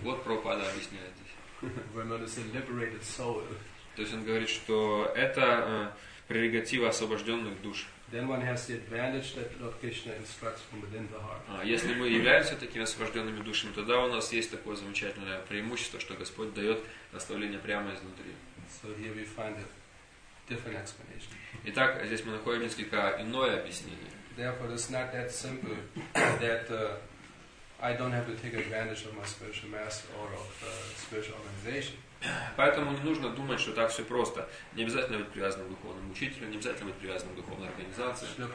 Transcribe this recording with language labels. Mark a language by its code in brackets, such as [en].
[ru] Вот Прабхупада объясняет здесь. [en] When it is a liberated soul. [ru] То есть он говорит, что это прерогатива освобожденных душ. [en] Then one has the advantage that Lord Krishna instructs from within the heart. [ru] Если мы являемся такими освобожденными душами, тогда у нас есть такое замечательное преимущество, что Господь дает наставление прямо изнутри. [en] So here we find a different explanation. [ru] Итак, здесь мы находим несколько иное объяснение. [en] Therefore, it's not that simple that I don't have to take advantage of my spiritual mass or of spiritual organization. [ru] Поэтому не нужно думать, что так все просто. Не обязательно быть привязанным к духовному учителю, не обязательно быть привязанным к духовной организации.